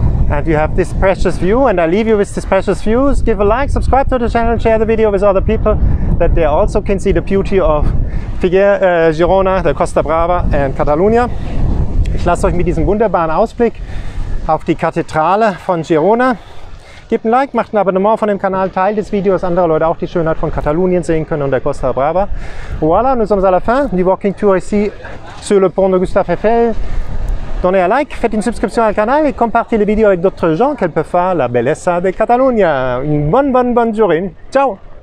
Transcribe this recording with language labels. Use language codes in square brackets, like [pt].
[en] And you have this precious view, and I leave you with this precious view. Give a like, subscribe to the channel, share the video with other people that they also can see the beauty of Girona, the Costa Brava and Catalonia. [de] Ich lasse euch mit diesem wunderbaren Ausblick auf die Kathedrale von Girona. Gebt ein Like, macht ein Abonnement von dem Kanal, teilt das Video, dass andere Leute auch die Schönheit von Katalonien sehen können und der Costa Brava. [fr] Voilà, nous sommes à la fin. Die Walking Tour ici sur le pont de Gustave Eiffel. Donnez un Like, faites une subscription au Kanal et partagez les vidéos avec d'autres gens qu'elle peut faire la bellezza de Catalunya. Une bonne journée. Ciao!